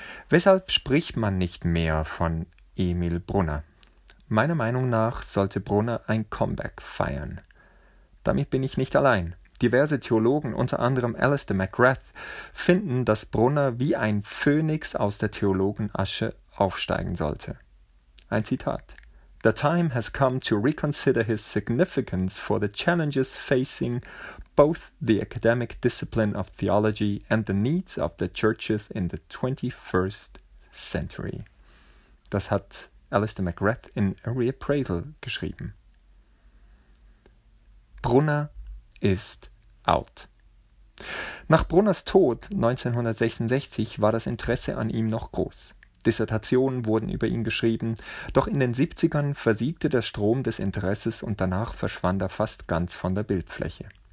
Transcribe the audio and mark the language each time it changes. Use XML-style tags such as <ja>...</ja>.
<de>Weshalb spricht man nicht mehr von Emil Brunner? Meiner Meinung nach sollte Brunner ein Comeback feiern. Damit bin ich nicht allein. Diverse Theologen, unter anderem Alistair McGrath, finden, dass Brunner wie ein Phönix aus der Theologenasche aufsteigen sollte. Ein Zitat:</de> <en>The time has come to reconsider his significance for the challenges facing both the academic discipline of theology and the needs of the churches in the 21st century.</en> <de>Das hat Alistair McGrath in A Reappraisal geschrieben. Brunner ist out. Nach Brunners Tod 1966 war das Interesse an ihm noch groß. Dissertationen wurden über ihn geschrieben, doch in den 70ern versiegte der Strom des Interesses und danach verschwand er fast ganz von der Bildfläche.</de>